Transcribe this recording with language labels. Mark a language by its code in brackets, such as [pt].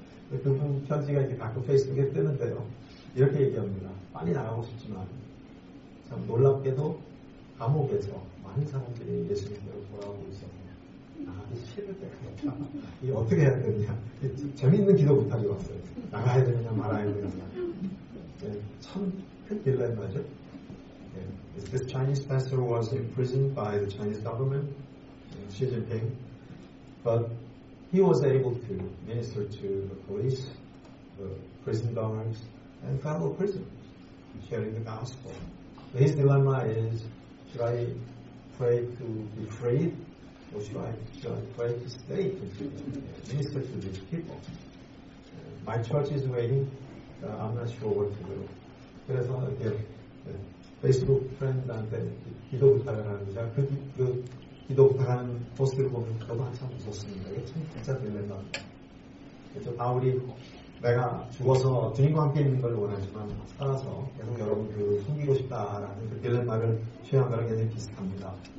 [ko] 그분 편지가 이제 가끔 페이스북에 뜨는데요. 이렇게 얘기합니다. 빨리 나가고 싶지만 참 놀랍게도 감옥에서 많은 사람들이 예수님을 돌아오고 있었네요. 나가기 싫을 때가 없다. 이게 어떻게 해야 되느냐. 재밌는 기도 부탁이 왔어요. 나가야 되느냐 말아야 되느냐. 네, 참 큰 딜레마죠. [en] 네, this Chinese pastor was imprisoned by the Chinese government, Xi Jinping. But he was able to minister to the police, the prison guards, and fellow prisoners, sharing the gospel. But his dilemma is, should I pray to be freed, or should I pray to stay to minister to these people? My church is waiting, I'm not sure what to do. [ko] 그래서 이렇게 Facebook friend한테 기도 부탁을 합니다. 그 기도 부탁하는 포스트를 보면 저도 한참 웃었습니다. 이게 참 진짜 들린다. 그래서 바울이 내가 죽어서 주님과 함께 있는 걸 원하지만 살아서 계속 여러분들을 섬기고 싶다라는 그 딜레마를 취한 거랑 굉장히 비슷합니다.